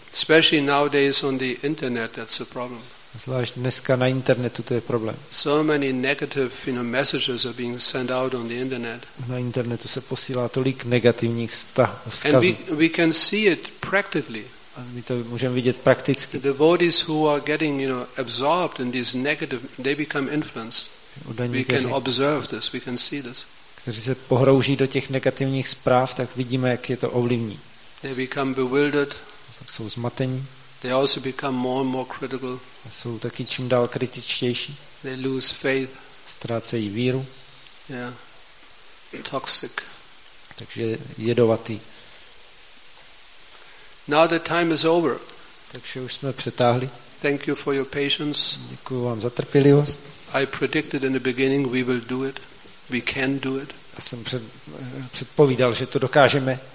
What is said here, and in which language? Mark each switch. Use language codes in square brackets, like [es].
[en] Especially nowadays on the internet, that's a problem. [cs] Zvlášť dneska na internetu to je problém. [en] So many negative, you know, messages are being sent out on the internet. [cs] Na internetu se posílá tolik negativních vzkazů. [en] And we can see it practically. [cs] A my to můžeme vidět prakticky. [en] The devotees who are getting, you know, absorbed in these negative, they become influenced. We can observe this. We can see this. [cs] Kteří se pohrouží do těch negativních zpráv, tak vidíme, jak je to ovlivní. [en] They become bewildered. [cs] Tak jsou zmatení. [en] They also become more and more critical. [cs] A jsou taky čím dál kritičtější. [en] They lose faith. [cs] Ztrácejí víru. [en] Yeah. Toxic. [cs] Takže jedovatý. [en] Now the time is over. [cs] Takže už jsme přetáhli. [en] Thank you for your patience. [cs] Děkuju vám za trpělivost. [en] I predicted in the beginning we will do it. We can do it. [cs] Já jsem předpovídal, že to dokážeme.